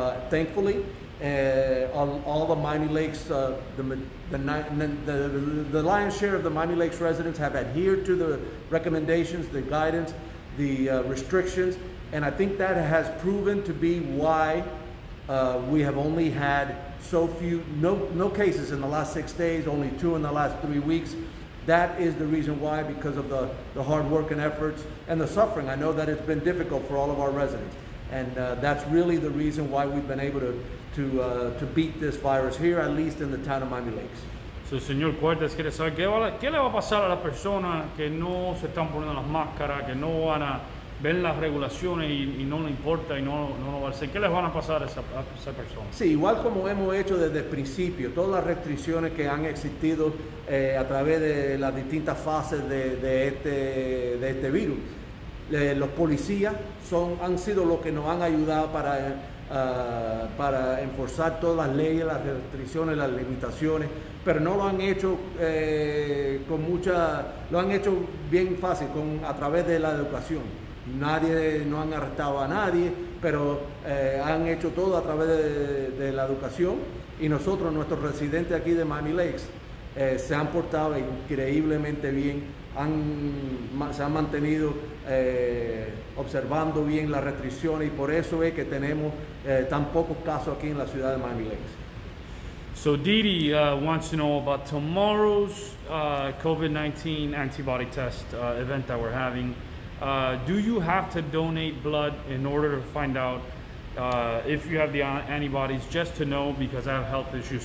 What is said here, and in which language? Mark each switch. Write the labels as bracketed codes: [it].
[en] Thankfully, all the Miami Lakes, the lion's share of the Miami Lakes residents have adhered to the recommendations, the guidance, the restrictions, and I think that has proven to be why we have only had so few, no cases in the last 6 days, only two in the last 3 weeks. That is the reason why, because of the hard work and efforts and the suffering. I know that it's been difficult for all of our residents. And that's really the reason why we've been able to beat this virus here, at least in the town of Miami Lakes. [es] So, señor Cuartas, quiere saber qué le va a pasar a las personas que no se están poniendo las máscaras, que no van a ven las regulaciones y no le importa y no lo va a hacer. ¿Qué les van a pasar a esa persona? Sí, igual como hemos hecho desde el principio, todas las restricciones que han existido a través de las distintas fases de este virus. Los policías han sido los que nos han ayudado para enforzar todas las leyes, las restricciones, las limitaciones, pero no lo han hecho lo han hecho bien fácil a través de la educación. No han arrestado a nadie, pero han hecho todo a través de la educación. Y nosotros, nuestros residentes aquí de Miami Lakes, se han portado increíblemente bien. Se han mantenido observando bien las restricciones, y por eso es que tenemos tan pocos casos aquí en la ciudad de Miami Lakes. [en] So Didi wants to know about tomorrow's COVID-19 antibody test event that we're having. Do you have to donate blood in order to find out if you have the antibodies, just to know, because I have health issues?